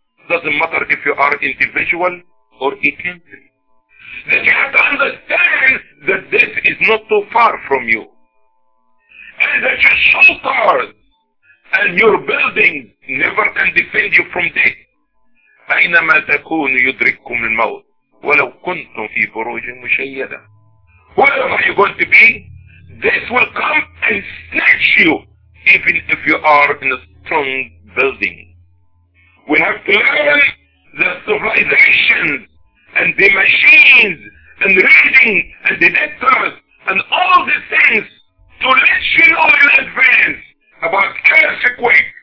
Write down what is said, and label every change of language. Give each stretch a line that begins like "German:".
English: Doesn't matter if you are individual or a country. That you have to understand that death is not too far from you. And that your shelters and your buildings never can defend you from death.
Arabic: أينما تكون يدرككم الموت ولو كنتم في بروج مشيدة.
English: Wherever you're going to be, death will come and snatch you even if you are in a strong building. We have to learn the civilizations and the machines and reading and the letters and all these things to let you know in advance about earthquake